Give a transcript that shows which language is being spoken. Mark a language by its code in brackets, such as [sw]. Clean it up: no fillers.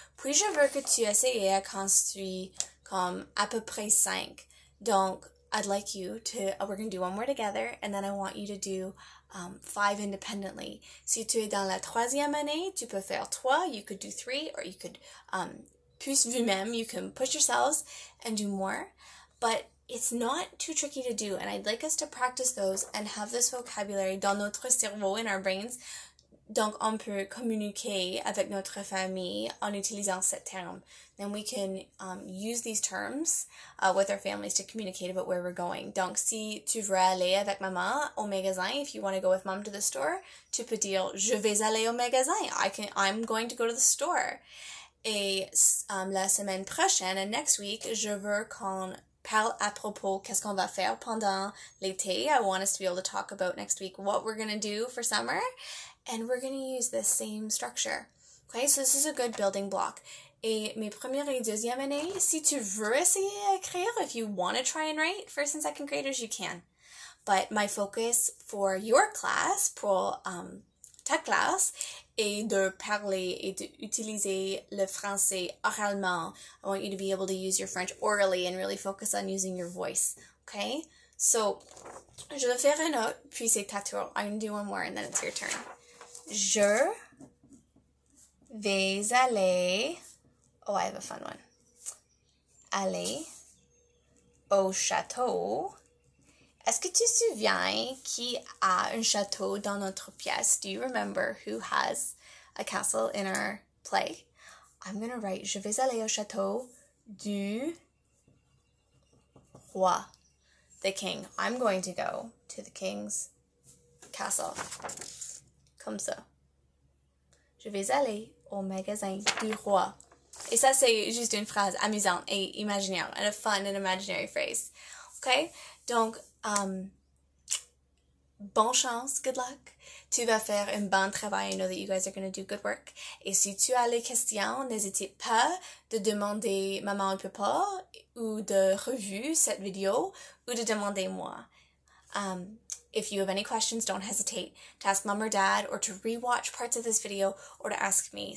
[fr] Puis, je veux que tu essayes à construire comme à peu près cinq. [en] Donc, I'd like you to, we're going to do one more together, and then I want you to do five independently. [fr] Si tu es dans la troisième année, tu peux faire trois, [en] you could do three, or you could [fr] plus vous-même, [en] you can push yourselves and do more. But it's not too tricky to do, and I'd like us to practice those and have this vocabulary [fr] dans notre cerveau, [en] in our brains. [fr] Donc, on peut communiquer avec notre famille en utilisant ce terme. [en] Then we can use these terms with our families to communicate about where we're going. [fr] Donc, si tu veux aller avec maman au magasin, [en] if you want to go with mom to the store, [fr] tu peux dire, je vais aller au magasin. [en] I'm going to go to the store. [fr] Et la semaine prochaine, [en] and next week, [fr] je veux qu'on parle à propos qu'est-ce qu'on va faire pendant l'été. [en] I want us to be able to talk about next week what we're going to do for summer. And we're going to use the same structure. Okay, so this is a good building block. [fr] Et mes premières et deuxième années, si tu veux essayer à écrire, [en] if you want to try and write first and second graders, you can. But my focus for your class, [fr] pour ta classe, est de parler et d'utiliser le français oralement. [en] I want you to be able to use your French orally and really focus on using your voice. Okay, so [fr] je vais faire une autre, puis c'est ta tour. [en] I'm going to do one more and then it's your turn. [fr] Je vais aller, [en] oh, I have a fun one, [fr] aller au château. Est-ce que tu te souviens qui a un château dans notre pièce? [en] Do you remember who has a castle in our play? I'm going to write, [fr] je vais aller au château du roi, the king. [en] I'm going to go to the king's castle. [fr] Comme ça. Je vais aller au magasin du roi. Et ça, c'est juste une phrase amusante et imaginaire. [en] And a fun and imaginary phrase. Okay? [fr] Donc, bonne chance. [en] Good luck. [fr] Tu vas faire un bon travail. [en] I know that you guys are going to do good work. [fr] Et si tu as les questions, n'hésitez pas de demander maman ou papa ou de revue cette vidéo ou de demander moi. [en] If you have any questions, don't hesitate to ask mom or dad or to rewatch parts of this video or to ask me.